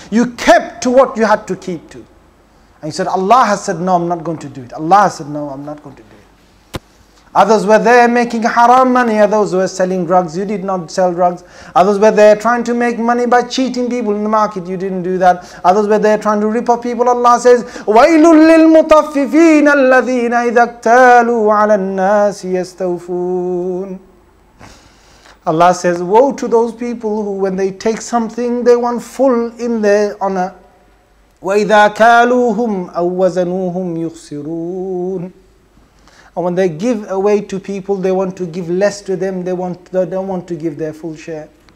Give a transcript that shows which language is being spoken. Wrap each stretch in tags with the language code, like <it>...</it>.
<en>You kept to what you had to keep to. And you said, Allah has said, no, I'm not going to do it. Allah has said, no, I'm not going to do it. Others were there making haram money. Others were selling drugs. You did not sell drugs. Others were there trying to make money by cheating people in the market. You didn't do that. Others were there trying to rip off people. Allah says,</en> <ar>وَيْلٌ لِلْمُطَفِّفِينَ الَّذِينَ إِذَا اكْتَالُوا عَلَى النَّاسِ يَسْتَوْفُونَ.</ar> <en>Allah says, woe to those people who, when they take something, they want full in their honor.</en> <ar>وَإِذَا كَالُوهُمْ أَوْ وَزَنُوهُمْ يُخْسِرُونَ.</ar> <en>And when they give away to people, they want to give less to them. They don't want to give their full share.</en>